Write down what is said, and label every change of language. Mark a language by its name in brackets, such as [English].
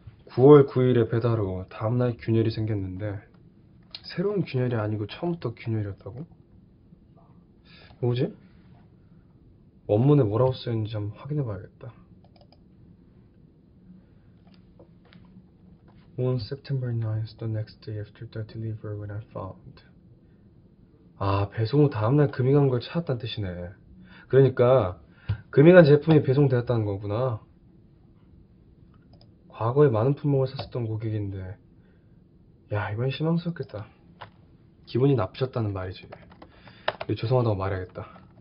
[Korean] 9월 9일에 배달 후 다음날 균열이 생겼는데, 새로운 균열이 아니고 처음부터 균열이었다고? 뭐지? 원문에 뭐라고 쓰였는지 한번 확인해봐야겠다. [English] On September 9th, the next day after the delivery, when I found. [Korean] 아, 배송 후 다음날 금이 간걸 찾았다는 뜻이네. 그러니까 금이 간 제품이 배송되었다는 거구나. 과거에 많은 품목을 샀었던 고객인데, 야, 이번엔 실망스럽겠다. 기분이 나쁘셨다는 말이지. 죄송하다고 말해야겠다.